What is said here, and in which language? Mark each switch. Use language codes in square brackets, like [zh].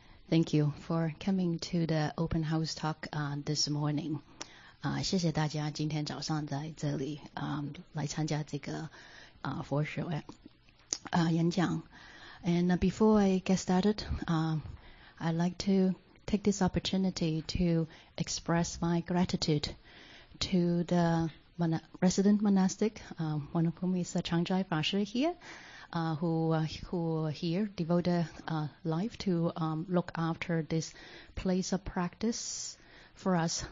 [en] Thank you for coming to the open house talk this morning. [zh] 谢谢大家今天早上在这里来参加这个佛学院演讲。 [en] And before I get started, I'd like to take this opportunity to express my gratitude to the resident monastic, one of whom is Changjai Bashi here, who here devoted life to look after this place of practice for us.